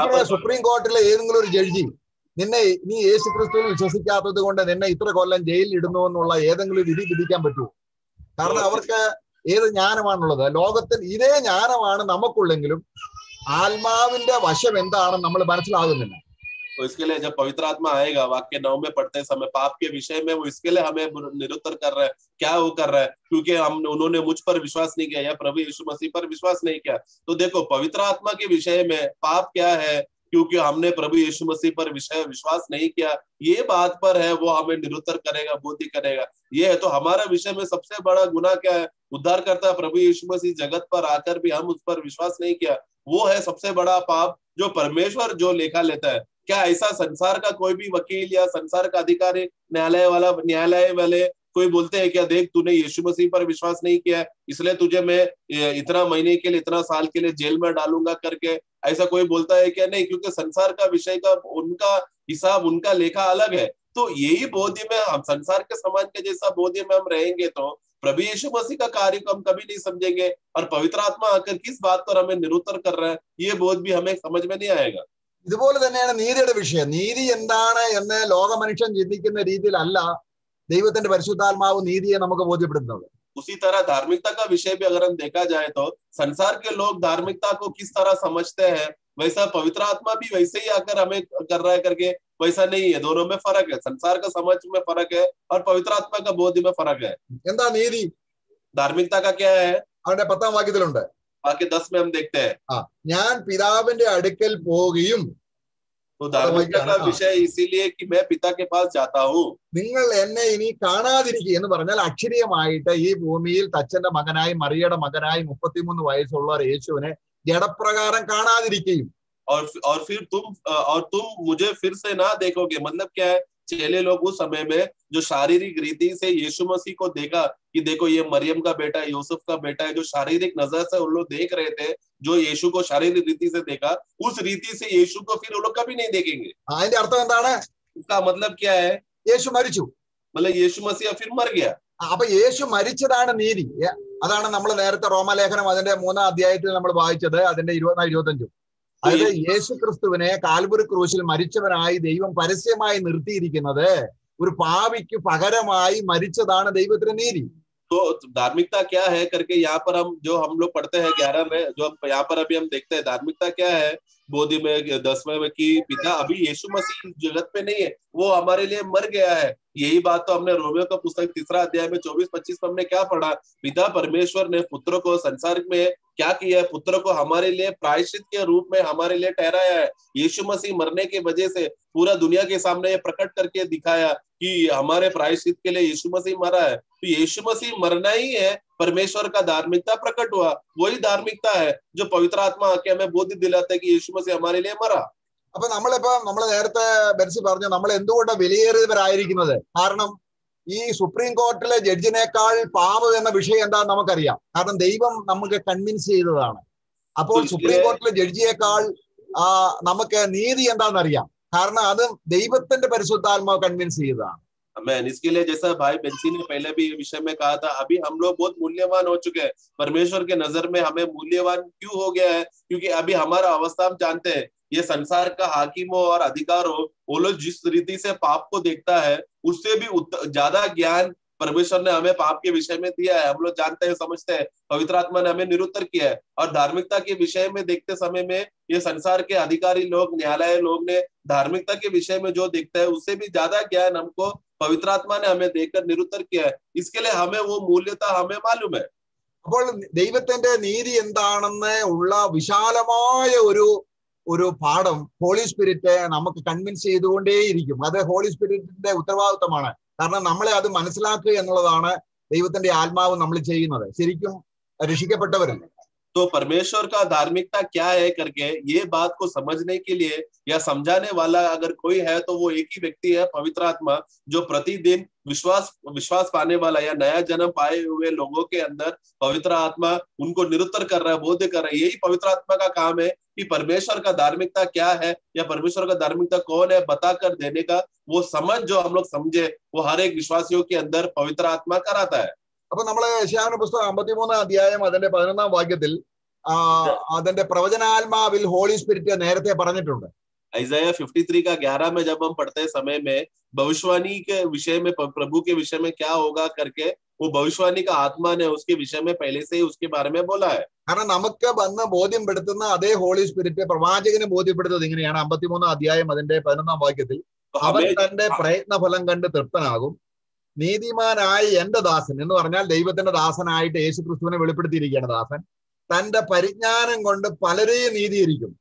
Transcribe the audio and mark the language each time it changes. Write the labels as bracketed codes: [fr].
[ml] Supreme കോർട്ടിലെ ഏതെങ്കിലും ഒരു judge നിന്നെ, നീ യേശു ക്രിസ്തുവിനെ വിശ്വസിക്കാത്തത് കൊണ്ട് നിന്നെ ഇത്ര കൊല്ലം ജയിലിൽ ഇടുന്നു എന്നുള്ള ഏതെങ്കിലും വിധി വിധിക്കാൻ പറ്റുമോ? കാരണം അവർക്ക് ഏത് ജ്ഞാനമാണുള്ളത്? ലോകത്തിൽ ഇതേ ജ്ഞാനമാണ് നമുക്കുള്ളെങ്കിലും ആത്മാവിന്റെ വശം എന്താണെന്ന് നമ്മൾ മനസ്സിലാകുന്നില്ല. [hi] इसके लिए जब पवित्र आत्मा आएगा वाक्य नौ में पढ़ते समय पाप के विषय में वो इसके लिए हमें निरुत्तर कर रहा है. क्या वो कर रहा है? क्योंकि हम उन्होंने मुझ पर विश्वास नहीं किया या प्रभु यीशु मसीह पर विश्वास नहीं किया. तो देखो पवित्र आत्मा के विषय में पाप क्या है? क्योंकि हमने प्रभु यीशु मसीह पर विश्वास नहीं किया, ये बात पर है वो हमें निरुत्तर करेगा, बोधि करेगा. ये है तो हमारा विषय में सबसे बड़ा गुनाह क्या है? उद्धार करता है प्रभु यीशु मसीह जगत पर आकर भी हम उस पर विश्वास नहीं किया, वो है सबसे बड़ा पाप जो परमेश्वर जो लेखा लेता है. क्या ऐसा संसार का कोई भी वकील या संसार का अधिकारी न्यायालय वाले कोई बोलते हैं क्या, देख तूने यीशु मसीह पर विश्वास नहीं किया इसलिए तुझे मैं इतना महीने के लिए, इतना साल के लिए जेल में डालूंगा करके, ऐसा कोई बोलता है क्या? नहीं, क्योंकि संसार का विषय का उनका हिसाब, उनका लेखा अलग है. तो यही बोध्य में हम संसार के समाज के जैसा बोध्य में हम रहेंगे तो प्रभु यीशु मसीह का कार्य को हम कभी नहीं समझेंगे और पवित्र आत्मा आकर किस बात पर हमें निरुत्तर कर रहे हैं ये बोध भी हमें समझ में नहीं आएगा। [ml] ഇതുപോലെ തന്നെയാണ് നീതിയുടെ വിഷയം. നീതി എന്താണ് എന്ന് ലോകമനുഷ്യൻ ചിന്തിക്കുന്ന രീതിയിലല്ല ദൈവത്തിന്റെ പരിശുദ്ധാത്മാവ് നീതിയെ നമുക്ക് ബോധ്യപ്പെടുത്തുന്നത്. [hi] उसी तरह धार्मिकता का विषय भी अगर हम देखा जाए तो संसार के लोग धार्मिकता को किस तरह समझते हैं वैसा पवित्र आत्मा भी वैसे ही आकर हमें कर रहा है करके वैसा नहीं है, दोनों में फर्क है। संसार का समझ में फर्क है और पवित्र आत्मा का बोध में फर्क है। [ml] എന്താ നീതി? [hi] धार्मिकता का क्या है? [ml] അവിടെ 10 വാക്യത്തിലുണ്ട്. [hi] बाकी 10 में हम देखते हैं, [ml] हां, ഞാൻ പിതാവിന്റെ അടുക്കൽ പോവുകയും. [hi] तो धार्मिकता का विषय इसीलिए कि मैं पिता के पास जाता हूँ. [ml] നിങ്ങൾ എന്നെ ഇനി കാണാതിരിക്കി എന്ന് പറഞ്ഞാൽ അക്ഷരീയമായിട്ട് ഈ ഭൂമിയിൽ തച്ചന്റെ മകനായി മറിയയുടെ മകനായി 33 വയസ്സുള്ള യേശുവിനെ ജഡപ്രകാരം കാണാതിരിക്കയും. [hi] और फिर तुम मुझे फिर से ना देखोगे. मतलब क्या है? चेले लोग उस समय में जो शारीरिक रीति से यीशु मसीह को देखा कि देखो ये मरियम का बेटा है, यूसुफ का बेटा है, जो शारीरिक नजर से उन लोग देख रहे थे, जो यीशु को शारीरिक रीति से देखा, उस रीति से यीशु को फिर वो लोग कभी नहीं देखेंगे. उसका मतलब क्या है? [ml] यीशु मरिचु, [hi] मतलब यीशु मसीह फिर मर गया. [ml] അപ്പൊ യേശു മരിച്ചതാണ് നീതി. അതാണ് നമ്മൾ നേരത്തെ റോമലേഖനം അതിന്റെ 3 നമ്മൾ വായിച്ചത്, അതിന്റെ 24-25. അതായത് യേശു ക്രിസ്തുവിനെ കാൽവരി ക്രൂശിൽ മരിച്ചവനായി ദൈവം പരസ്യമായി നിർത്തിയിരിക്കുന്നത്, ഒരു പാപിക്ക് പകരമായി മരിച്ചതാണ് ദൈവത്തിന്റെ നീതി. [hi] तो धार्मिकता क्या है करके यहाँ पर हम जो हम लोग पढ़ते हैं 11 में, जो यहाँ पर अभी हम देखते हैं धार्मिकता क्या है बोधी में 10 में, कि पिता अभी यीशु मसीह जगत पे नहीं है, वो हमारे लिए मर गया है. यही बात तो हमने रोमियो का पुस्तक 3 में 24-25 में हमने क्या पढ़ा? पिता परमेश्वर ने पुत्र को संसार में क्या किया है? पुत्र को हमारे लिए प्रायश्चित के रूप में हमारे लिए ठहराया है. यीशु मसीह मरने की वजह से पूरा दुनिया के सामने ये प्रकट करके दिखाया कि हमारे प्रायश्चित के लिए यीशु मसीह मरा है. तो यीशु मसीह मरना ही है, परमेश्वर का धार्मिकता प्रकट हुआ. वही धार्मिकता है जो पवित्र आत्मा आके हमें बोध दिलाते हैं कि यीशु मसीह हमारे लिए मरा. अब [ml] നമ്മളെ ബെർസി പറഞ്ഞു നമ്മൾ എന്തുകൊണ്ട് വിലയേറിയവരായിരിക്കുന്നത്? കാരണം ഈ സുപ്രീം കോർട്ടിലെ ജഡ്ജിനേക്കാൾ പാപം എന്ന വിഷയം എന്താണെന്ന് നമുക്കറിയാം. കാരണം ദൈവം നമുക്ക് കൺവിൻസ് ചെയ്തതാണ്. അപ്പോൾ സുപ്രീം കോർട്ടിലെ ജഡ്ജിയേക്കാൾ നമുക്ക് നീതി എന്താണെന്ന് അറിയാം. കാരണം അത് ദൈവത്തിന്റെ പരിശുദ്ധാത്മാവ് കൺവിൻസ് ചെയ്തതാണ്. [en] Amen. [hi] इसके लिए जैसा भाई बेंसी ने पहले भी विषय में कहा था, अभी हम लोग बहुत मूल्यवान हो चुके हैं परमेश्वर के नजर में. हमें मूल्यवान क्यों हो गया है? क्योंकि अभी हमारा अवस्था हम जानते हैं. ये संसार का हाकिम हो और अधिकार हो, वो लोग जिस रीति से पाप को देखता है उससे भी ज्यादा ज्ञान परमेश्वर ने हमें पाप के विषय में दिया है. हम लोग जानते हैं, समझते हैं, पवित्र आत्मा ने हमें निरुत्तर किया है. और धार्मिकता के विषय में देखते समय में ये संसार के अधिकारी लोग, न्यायालय लोग ने धार्मिकता के विषय में जो देखता है उससे भी ज्यादा ज्ञान हमको पवित्र आत्मा ने हमें देखकर निरुत्तर किया है. इसके लिए हमें वो मूल्यता हमें मालूम है. [ml] അപ്പോൾ ദൈവത്തിന്റെ നീതി എന്താണെന്ന് ഉള്ള വിശാലമായ ഒരു ഒരു പാഠം ഹോളി സ്പിരിറ്റ് നമുക്ക് കൺവിൻസ് ചെയ്തുകൊണ്ടേയിരിക്കും. അത് ഹോളി സ്പിരിറ്റിന്റെ ഉത്തരവാദിത്വമാണ്. കാരണം നമ്മളെ അത് മനസ്സിലാക്കുക എന്നുള്ളതാണ് ദൈവത്തിന്റെ ആത്മാവ് നമ്മൾ ചെയ്യുന്നത്. ശരിക്കും രക്ഷിക്കപ്പെട്ടവരും. [hi] तो परमेश्वर का धार्मिकता क्या है करके ये बात को समझने के लिए या समझाने वाला अगर कोई है तो वो एक ही व्यक्ति है, पवित्र आत्मा, जो प्रतिदिन विश्वास पाने वाला या नया जन्म पाए हुए लोगों के अंदर पवित्र आत्मा उनको निरुत्तर कर रहा है, बोध कर रहा है. यही पवित्र आत्मा का काम है कि परमेश्वर का धार्मिकता क्या है या परमेश्वर का धार्मिकता कौन है बताकर देने का. वो समझ जो हम लोग समझे वो हर एक विश्वासियों के अंदर पवित्र आत्मा कराता है. [ml] അപ്പൊ നമ്മള് യെശയ്യാവിന്റെ പുസ്തകം 53 അതിന്റെ 11 വാക്യത്തിൽ അതിന്റെ പ്രവചനാത്മാവിൽ ഹോളി സ്പിരിറ്റ് നേരത്തെ പറഞ്ഞിട്ടുണ്ട്. [hi] Isaiah 53 का 11 में जब हम पढ़ते हैं समय में भविष्यवाणी के विषय में, प्रभु के विषय में क्या होगा करके, वो भविष्यवाणी का आत्मा ने उसके विषय में पहले से ही उसके बारे में बोला है. [ml] കാരണം നമുക്ക് വന്ന് ബോധ്യപ്പെടുത്തുന്ന അതേ ഹോളി സ്പിരിറ്റ് പ്രവാചകന് ബോധ്യപ്പെടുത്തത് ഇങ്ങനെയാണ്, 53 അതിന്റെ 11 വാക്യത്തിൽ, അവൻ തന്റെ പ്രയത്ന ഫലം കണ്ട് തൃപ്തനാകും, നീതിമാനായി എന്റെ ദാസൻ എന്ന് പറഞ്ഞാൽ ദൈവത്തിന്റെ ദാസനായിട്ട് യേശു ക്രിസ്തുവിനെ വെളിപ്പെടുത്തിയിരിക്കുകയാണ് ദാസൻ, തന്റെ പരിജ്ഞാനം കൊണ്ട് പലരെയും നീതിയിരിക്കും.